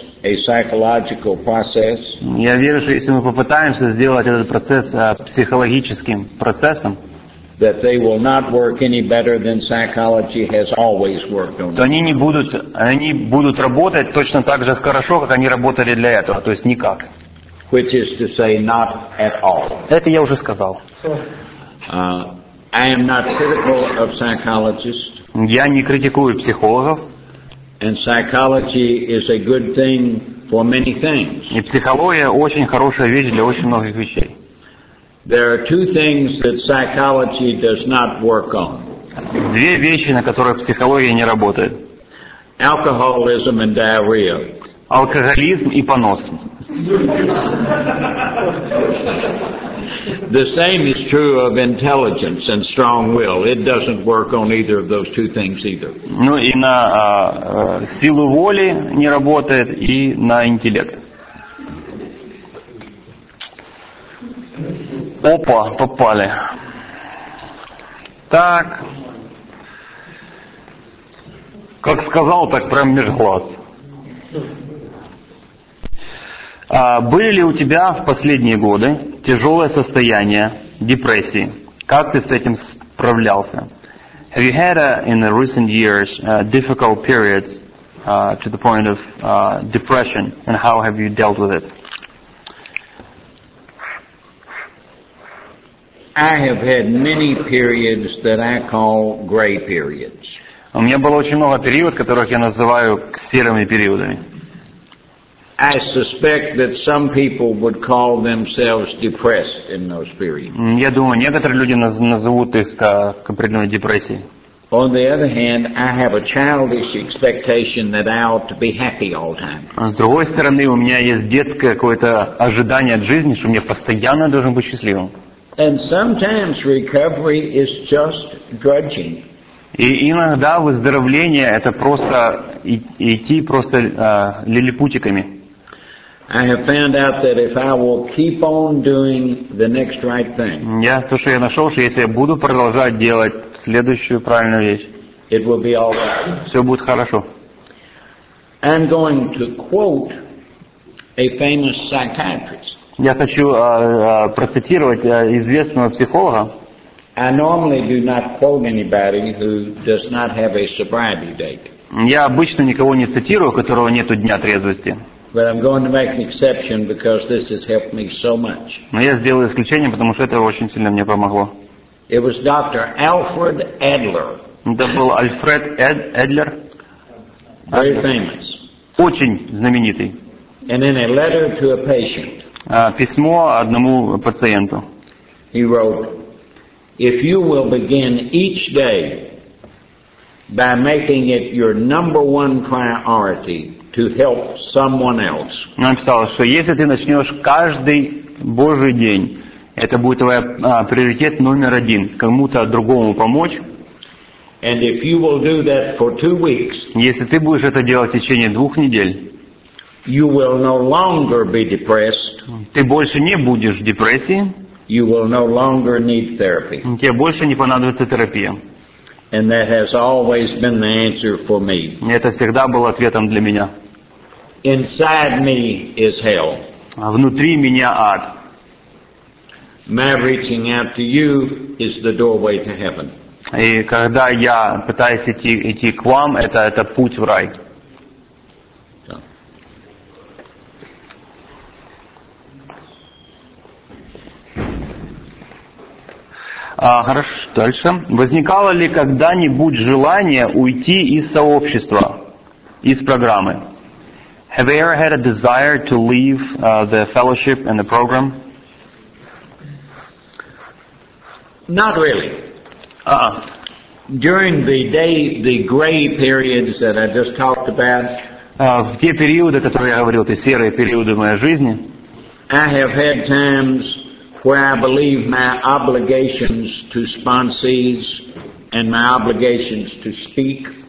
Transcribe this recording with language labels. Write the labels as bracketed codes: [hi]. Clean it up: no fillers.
[en] a psychological process. [ru] Я верю, что если мы попытаемся сделать этот процесс психологическим процессом, [en] that they will not work any better than psychology has always worked on. [ru] То они будут работать точно так же хорошо, как они работали для этого, то есть никак. [en] Which is to say, not at all. [ru] Это я уже сказал. [en] I am not critical of psychologists. [ru] Я не критикую психологов. [en] And psychology is a good thing for many things. [ru] И психология очень хорошая вещь для очень многих вещей. [en] There are two things that psychology does not work on. [ru] Две вещи, на которых психология не работает. [en] Alcoholism and diarrhea. [ru] Алкоголизм и понос. [en] The same is true of intelligence and strong will. It doesn't work on either of those two things either. [ru] Ну и на силу воли не работает и на интеллект. Опа, попали. Так. Как сказал, так прям мерглаз. Были ли у тебя в последние годы тяжелое состояние депрессии? Как ты с этим справлялся? [en] Have you had in the recent years difficult periods to the point of depression? And how have you dealt with it? I have had many periods that I call gray periods. [ru] У меня было очень много периодов, которых я называю серыми периодами. [en] I suspect that some people would call themselves depressed in those periods. [ru] Я думаю, некоторые люди назовут их как определенной депрессией. [en] On the other hand, I have a childish expectation that I ought to be happy all the time. [ru] С другой стороны, у меня есть детское какое-то ожидание от жизни, что мне постоянно должен быть счастливым. [en] And sometimes recovery is just drudging. [ru] И иногда выздоровление это просто идти просто лилипутиками. [en] I have found out that if I will keep on doing the next right thing. [ru] Я то, что я нашел, что если я буду продолжать делать следующую правильную вещь, [en] it will be all right. [ru] Все будет хорошо. [en] I'm going to quote a famous psychiatrist. [ru] Я хочу процитировать известного психолога. [en] I normally do not quote anybody who does not have a sobriety date. [ru] Я обычно никого не цитирую, у которого нету дня трезвости. [en] But I'm going to make an exception because this has helped me so much. [ru] Но я сделаю исключение, потому что это очень сильно мне помогло. [en] It was Dr. Alfred Adler. [ru] Это был Альфред Эдлер. [en] Very famous. [ru] Очень знаменитый. [en] And in a letter to a patient. [ru] Письмо одному пациенту. [en] He wrote, "If you will begin each day by making it your number one priority to help someone else." [ru] Написал, что если ты начнешь каждый Божий день, это будет твоя приоритет номер один, кому-то другому помочь. [en] And if you will do that for 2 weeks, [ru] если ты будешь это делать в течение 2 недель. [en] You will no longer be depressed. [ru] Ты больше не будешь в депрессии. [en] You will no longer need therapy. [ru] Тебе больше не понадобится терапия. [en] And that has always been the answer for me. [ru] Это всегда было ответом для меня. [en] Inside me is hell. [ru] А внутри меня ад. [en] My reaching out to you is the doorway to heaven. [ru] И когда я пытаюсь идти к вам, это путь в рай. Хорошо, дальше. Возникало ли когда-нибудь желание уйти из сообщества, из программы? [en] Have you ever had a desire to leave the fellowship and the program? Not really. During the day, the gray periods that I just talked about. [ru] В те периоды, которые я говорил, те серые периоды в моей жизни. [en] I have had times where I believe my obligations to sponsees and my obligations to speak.